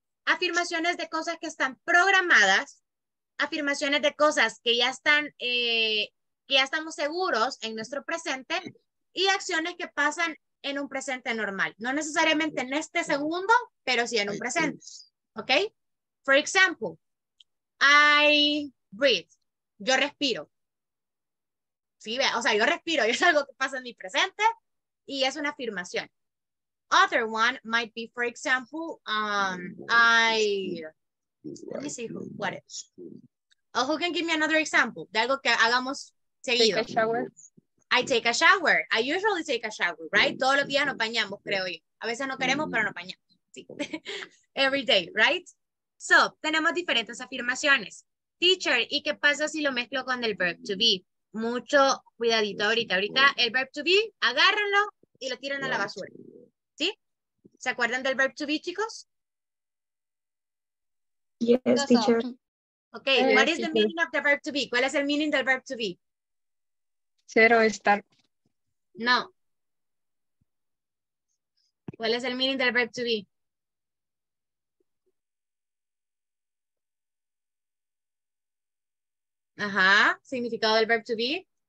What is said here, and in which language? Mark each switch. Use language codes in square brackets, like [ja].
[es] Afirmaciones de cosas que están programadas, afirmaciones de cosas que ya están, que ya estamos seguros en nuestro presente, y acciones que pasan en un presente normal. No necesariamente en este segundo, pero sí en un presente. ¿Ok? [en] For example, I breathe. [es] Yo respiro. Sí, o sea, yo respiro y es algo que pasa en mi presente y es una afirmación. [en] Other one might be, for example, what is? Oh, who can give me another example? [es] De algo que hagamos seguido. [en] Take a shower. I take a shower. I usually take a shower, right? [es] Todos los días nos bañamos, creo yo. A veces no queremos, pero nos bañamos. Sí. [en] Every day, right? [es] So, tenemos diferentes afirmaciones. Teacher, ¿y qué pasa si lo mezclo con el verb to be? Mucho cuidadito ahorita. Ahorita el verb to be, agárrenlo y lo tiran a la basura. ¿Sí? ¿Se acuerdan del verb to be, chicos? [en] Yes, teacher. Ok, what is the meaning of the verb to be? [es] ¿Cuál es el meaning del verb to be? Ser o estar. No. ¿Cuál es el meaning del verb to be? Ajá, significado del verb to be.